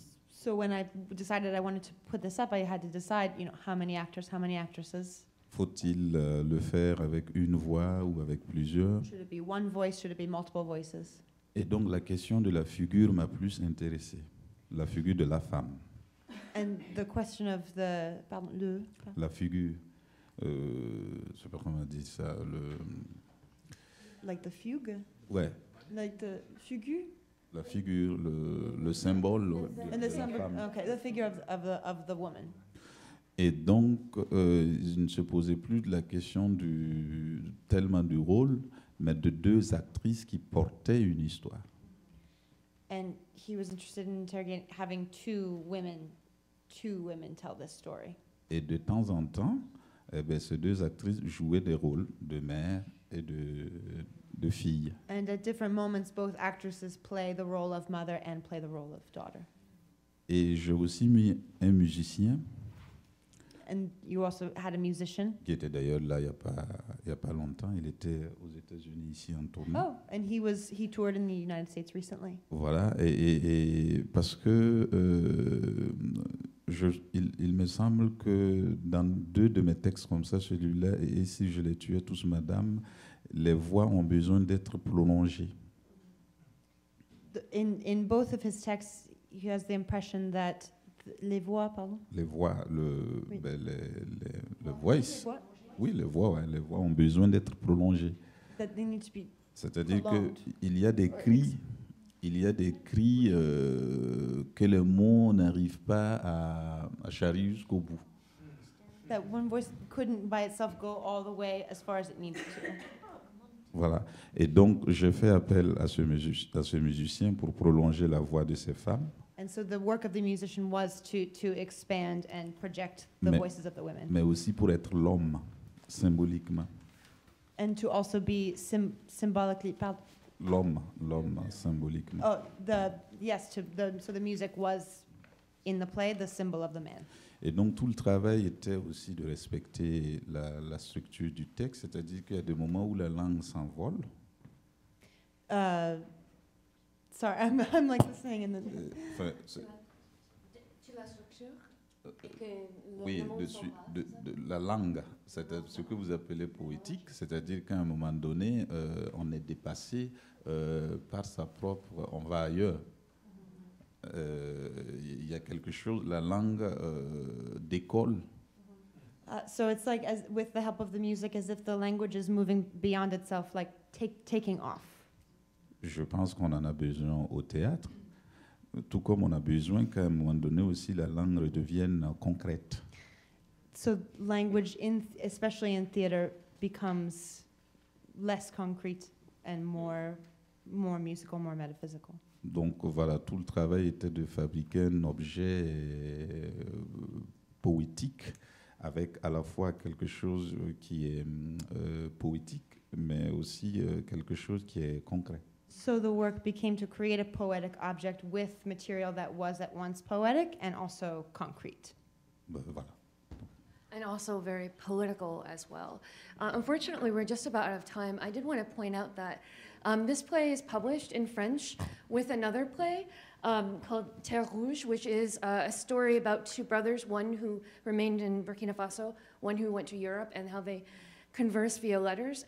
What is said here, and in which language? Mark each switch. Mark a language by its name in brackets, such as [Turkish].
[English] So when I decided I wanted to put this up, I had to decide, you know, how many actors, how many actresses. [French] Faut-il le faire avec une voix ou avec plusieurs? [English] Should it be one voice, should it be multiple voices? [French] Et donc la question de la figure m'a plus intéressé. La figure de la femme. [English] And the question of the, pardon, le. [French] La figure, je sais pas comment dire ça, le. [English] Like the fugue. [French] Ouais. [English] Like the figure. [French] La figure, le symbole de la femme. [English] Okay, the figure of the woman. [French] Et donc, il ne se posait plus de la question du tellement du rôle, mais de deux actrices qui portaient une histoire. [English] And he was interested in interrogating having two women tell this story. [French] Et de temps en temps, eh ben, ces deux actrices jouaient des rôles de mère et de fille. [English] And at different moments, both actresses play the role of mother and play the role of daughter. [French] Et j'ai aussi mis un musicien. [English] And you also had a musician. [French] Qui était d'ailleurs là il y a pas longtemps. Il était aux États-Unis ici en tournée. [English] Oh, and he toured in the United States recently. [French] Voilà, et parce que il me semble que dans deux de mes textes comme ça, celui-là et Si je les tuais tous, madame, les voix ont besoin d'être prolongées. [English] In both of his texts, he has the impression that [French] les voix, pardon. Les voix, le, oui. Ben les voix. Les voix. Oui, les voix, ouais, les voix ont besoin d'être prolongées. [English] That they need to be. [French] C'est-à-dire que il y a des cris que les mots n'arrivent pas à charrier jusqu'au bout. [English] That one voice couldn't by itself go all the way as far as it needs to. [French] Voilà. Et donc, j'ai fait appel à ce musicien pour prolonger la voix de ces femmes. [English] And so the work of the musician was to expand and project the voices of the women. [French] Mais aussi pour être l'homme, symboliquement. [English] And to also be symbolically. [French] L'homme, symboliquement. [English] Oh, so the music was in the play, the symbol of the man. [French] Et donc tout le travail était aussi de respecter la structure du texte, c'est-à-dire qu'il y a des moments où la langue s'envole. [English] Sorry, I'm like listening and then. [French] Oui, la langue, c'est ce que vous appelez poétique, c'est-à-dire qu'à un moment donné, on est dépassé par sa propre. On va ailleurs. Il y a quelque chose, la langue décolle. [English] So it's like, as with the help of the music, as if the language is moving beyond itself, like taking off. [French] Je pense qu'on en a besoin au théâtre, tout comme on a besoin qu'à un moment donné aussi la langue redevienne concrète. [English] So language, especially in theater, becomes less concrete and more musical, more metaphysical. [French] Donc voilà, tout le travail était de fabriquer un objet poétique avec à la fois quelque chose qui est poétique, mais aussi quelque chose qui est concret. [English] So the work became to create a poetic object with material that was at once poetic and also concrete. [French] Voilà. [English] And also very political as well. Unfortunately, we're just about out of time. I did want to point out that this play is published in French with another play called Terre Rouge, which is a story about two brothers, one who remained in Burkina Faso, one who went to Europe, and how they converse via letters.